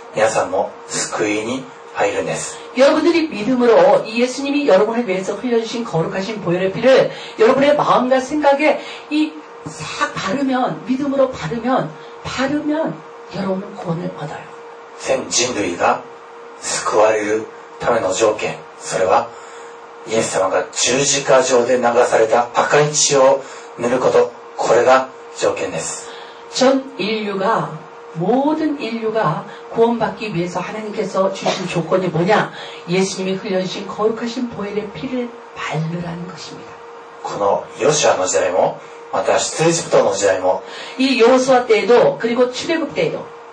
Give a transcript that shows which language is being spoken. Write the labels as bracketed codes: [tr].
[ja] 信仰を持ってその赤い印、イエス様の血を皆さん自身に塗るのであれば、皆さんも救いに入るんです。 [ko] 여러분들이 믿음으로 이 예수님이 여러분을 위해서 흘려주신 거룩하신 보혈의 피를 여러분의 마음과 생각에 이 싹 바르면, 믿음으로 바르면, 바르면 여러분은 구원을 얻어요. [ja] 全人類が救われるための条件、それは 예수様が十字架上で流された赤い血を塗ること、これが条件です。 [ko] 전 인류가, 모든 인류가 구원받기 위해서 하나님께서 주신 조건이 뭐냐? 예수님이 흘려주신 거룩하신 보혈의 피를 바르라는 것입니다. [ja] このヨシアの時代も、また出エジプトの時代も、 [ko] 이 여호수아 때에도, 그리고 출애굽 때에도,